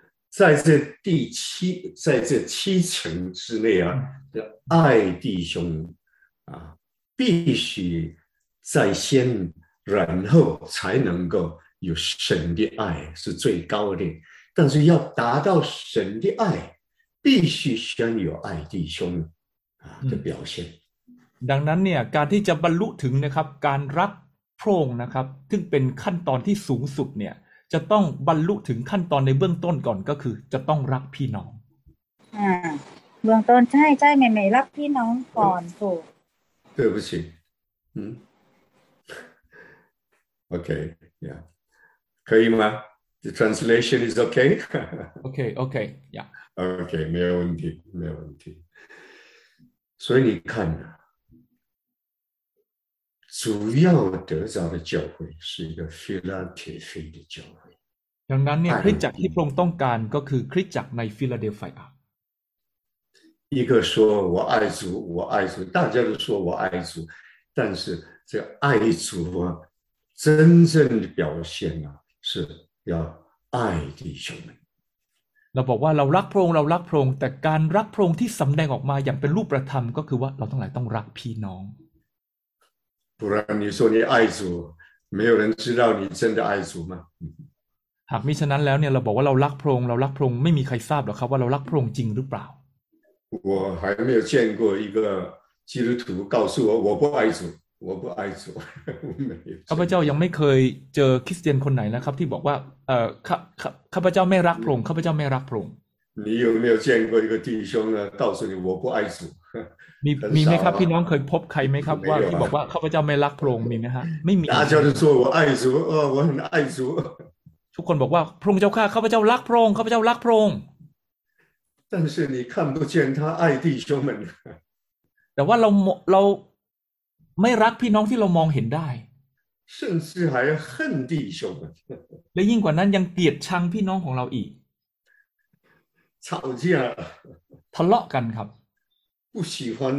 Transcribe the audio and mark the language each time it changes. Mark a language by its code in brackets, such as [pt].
[zh] 在这第七在这七层之内啊的爱弟兄啊必须在先然后才能够有神的爱是最高的但是要达到神的爱必须先有爱弟兄的表现 [th] ดังนั้นเนี่ยการที่จะบรรลุถึงนะครับการรักพระองค์นะครับซึ่งเป็นขั้นตอนที่สูงสุดเนี่ยจะต้องบรรลุถึงขั้นตอนในเบื้องต้นก่อนก็คือจะต้องรักพี่น้อง เบื้องต้นใช่ใช่ไหมรักพี่น้องก่อนถูก [zh] 对不起 [en] okay yeah [zh] 可以吗 [en] the translation is okay okay okay yeah [zh] okay 没有问题没有问题所以你看主要得着的教会是一个菲拉铁菲的教会 [th] ดังนั้นเนี่ยคริสตจักรที่พระองค์ต้องการก็คือคริสตจักรในฟิลาเดลเฟีย [zh] 一个说我爱主我爱主大家都说我爱主但是这爱主啊真正的表现啊是要爱弟兄们 [th] เราบอกว่าเรารักพระองค์เรารักพระองค์แต่การรักพระองค์ที่สำแดงออกมาอย่างเป็นรูปธรรมก็คือว่าเราทั้งหลายต้องรักพี่น้อง [zh] 不然你说你爱主没有人知道你真的爱主吗 [th] หากมิฉะนั้นแล้วเนี่ยเราบอกว่าเรารักพระองค์เรารักพระองค์ไม่มีใครทราบหรอกครับว่าเรารักพระองค์จริงหรือเปล่า [zh] 我还没有见过一个基督徒告诉我我不爱主我不爱主 [th] ข้าพเจ้ายังไม่เคยเจอคริสเตียนคนไหนนะครับที่บอกว่าข้าพเจ้าไม่รักพระองค์ข้าพเจ้าไม่รักพระองค์ [zh] 你有没有见过一个弟兄呢告诉你我不爱主 [th] มีไหมครับพี่น้องเคยพบใครไหมครับว่าที่บอกว่าข้าพเจ้าไม่รักพระองค์มีไหมฮะไม่มี [zh] อาจารย์说我爱主哦我很爱主 [th] ทุกคนบอกว่าพระองค์เจ้าข้าข้าพเจ้ารักพระองค์ข้าพเจ้ารักพระองค์ [zh] 但是你看不见他爱弟兄们 [th] แต่ว่าเราไม่รักพี่น้องที่เรามองเห็นได้ [zh] 甚至还恨弟兄 [th] และยิ่งกว่านั้นยังเกลียดชังพี่น้องของเราอีก [zh] 吵架 [th] ทะเลาะกันครับ [zh] 不喜欢